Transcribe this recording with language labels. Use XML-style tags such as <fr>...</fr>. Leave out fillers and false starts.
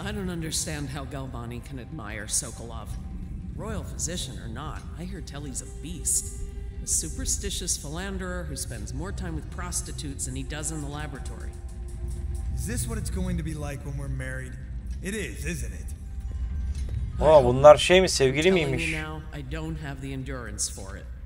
<en>I don't understand how Galvani can admire Sokolov. Royal physician or not, I hear tell he's a beast. A superstitious philanderer who spends more time with prostitutes than he does in the laboratory. Is this what it's going to be like when we're married? It is, isn't it?</en> <tr>Oh, bunlar şey mi, sevgili miymiş?</tr> <en>Now, I don't have the endurance for it.</en>